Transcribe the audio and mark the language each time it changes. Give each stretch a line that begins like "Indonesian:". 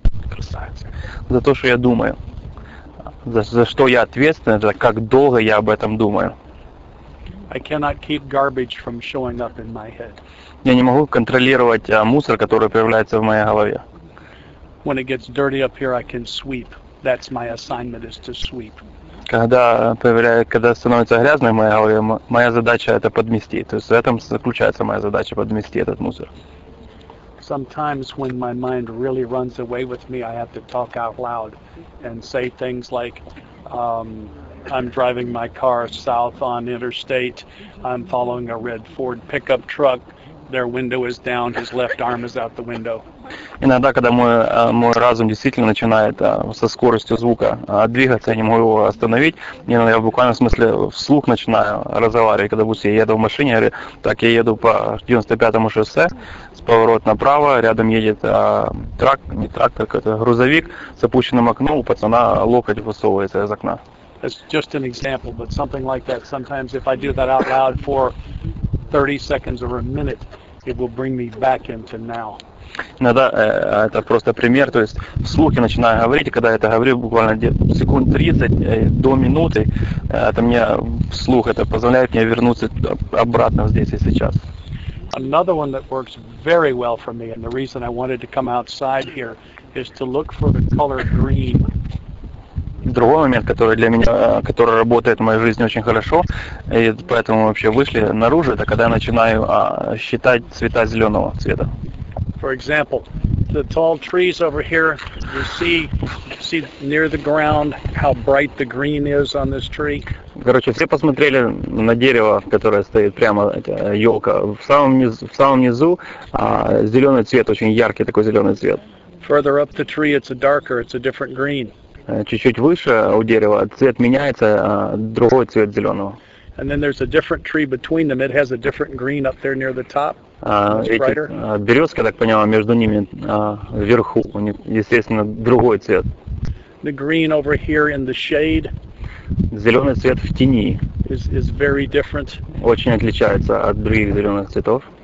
Russian: бросать, за то, что я думаю, за что я ответственен, за как долго я об этом думаю.
English: I cannot keep garbage from showing up in my head.
Russian: Я не могу контролировать мусор, который появляется в моей голове.
English: When it gets dirty up here, I can sweep. That's my assignment is to sweep.
Russian: Когда становится грязной в моей голове, моя задача это подмести. То есть в этом заключается моя задача подмести этот мусор.
English: Sometimes when my mind really runs away with me, I have to talk out loud and say things like, I'm driving my car south on interstate. I'm following a red Ford pickup truck. Their window is down. His left arm is out the window.
Russian: Иногда, когда мой разум действительно начинает со скоростью звука двигаться, я не могу его остановить. Я в буквальном смысле вслух начинаю разговаривать. Когда, допустим, я еду в машине, так я еду по 95-му шоссе, с поворот направо, рядом едет трак, не трак, как это, грузовик, с опущенным окном, у пацана локоть высовывается из окна.
English: It's just an example, but something like that. Sometimes if I do that out loud for 30 seconds or a minute, it will bring me back into now.
Russian: Иногда это просто пример, то есть вслух я начинаю говорить, и когда я это говорю, буквально где-то секунд 30 до минуты, это мне вслух, это позволяет мне вернуться обратно здесь и сейчас.
English: Another one that works very well for me, and the reason I wanted to come outside here, is to look for the color green.
Russian: Другой момент, который для меня, который работает в моей жизни очень хорошо, и поэтому вообще вышли наружу, это когда я начинаю считать цвета зеленого цвета.
English: For example, the tall trees over here, you see near the ground how bright the green is on this tree.
Russian: Короче, все посмотрели на дерево, которое стоит прямо, елка. В самом низу зеленый цвет, очень яркий такой зеленый цвет.
English: Further up the tree, it's a darker, it's a different green.
Russian: Чуть-чуть выше у дерева цвет меняется, другой цвет зеленого.
English: And then there's a different tree between them. It has a different green up there near the top.
Russian: Березка, так понимаю, между ними вверху, у них, естественно, другой цвет.
English: The green over here in the shade.
Russian: Зеленый цвет в тени.
English: Is very different.
Russian: Очень отличается от других зеленых цветов.